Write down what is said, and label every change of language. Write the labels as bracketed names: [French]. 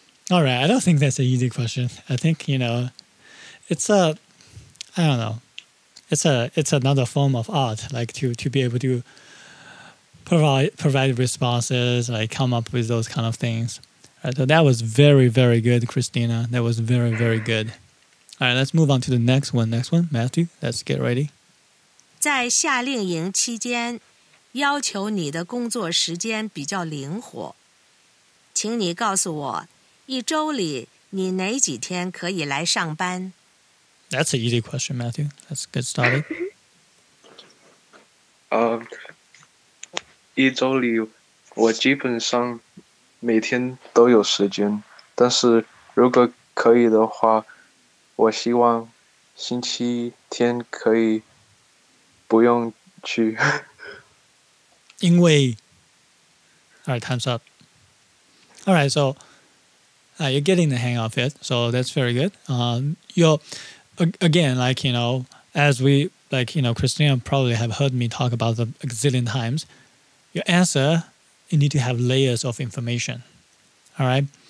[English] All right, I don't think that's an easy question. I think, you know, it's a, I don't know, it's a, it's another form of art, like to be able to provide responses, like come up with those kind of things. All right, so that was very, very good, Christina. That was very, very good. All right, let's move on to the next one. Next one, Matthew, let's get ready. [Chinese] 在夏令营期间，要求你的工作时间比较灵活，请你告诉我，一周里你哪几天可以来上班？ [English] That's an easy question, Matthew. Let's get started. [Chinese] 一周里我基本上每天都有时间，但是如果可以的话，我希望星期天可以不用去。 [English] 因为 All right, time's up. All right, so you're getting the hang of it, so that's very good. Again, like, you know, as we, like, you know, Christina probably have heard me talk about the a gazillion times, your answer, you need to have layers of information. All right?